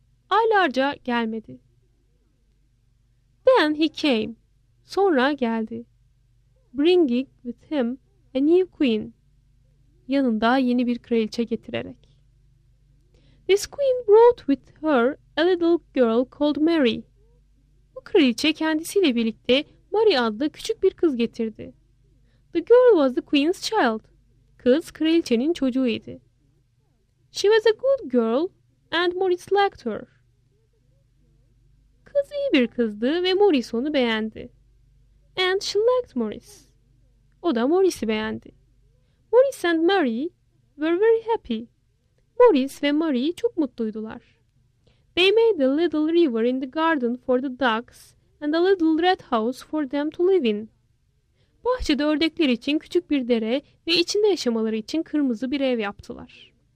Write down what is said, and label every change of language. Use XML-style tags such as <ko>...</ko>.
<tr>Aylarca gelmedi.</tr> <en>Then he came.</en> <tr>Sonra geldi.</tr> <en>Bringing with him a new queen.</en> <tr>Yanında yeni bir kraliçe getirerek.</tr> <en>This queen brought with her a little girl called Mary.</en> <tr>Bu kraliçe kendisiyle birlikte Mary adlı küçük bir kız getirdi.</tr> <en>The girl was the queen's child.</en> <tr>Kız kraliçenin çocuğuydu.</tr> <en>She was a good girl and Maurice liked her.</en> <tr>Kız iyi bir kızdı ve Maurice onu beğendi.</tr> <en>And she liked Maurice.</en> <tr>O da Maurice'i beğendi.</tr> <en>Maurice and Mary were very happy.</en> <tr>Maurice ve Mary çok mutluydular.</tr> <en>They made a little river in the garden for the ducks and a little red house for them to live in.</en> <tr>Bahçede ördekler için küçük bir dere ve içinde yaşamaları için kırmızı bir ev yaptılar.</tr>